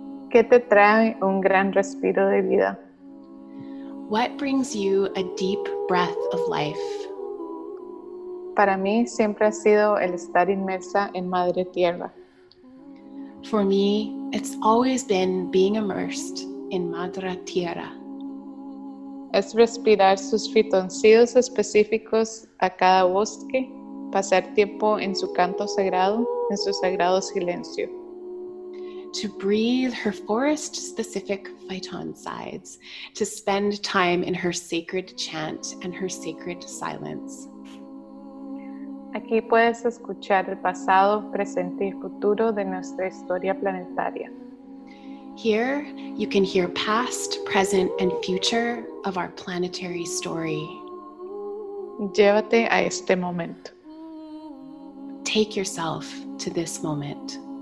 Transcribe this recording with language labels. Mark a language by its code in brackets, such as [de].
[es] ¿Qué te trae un gran respiro de vida? [en] What brings you a deep breath of life? [es] Para mí siempre ha sido el estar inmersa en Madre Tierra. [en] For me, it's always been being immersed in Madre Tierra. [es] Es respirar sus fitoncidos específicos a cada bosque, pasar tiempo en su canto sagrado, en su sagrado silencio. [en] To breathe her forest-specific phytoncides, to spend time in her sacred chant and her sacred silence. [es] Aquí puedes escuchar el pasado, presente y futuro de nuestra historia planetaria. [en] Here, you can hear past, present, and future of our planetary story. [es] Llévate a este momento. [en] Take yourself to this moment.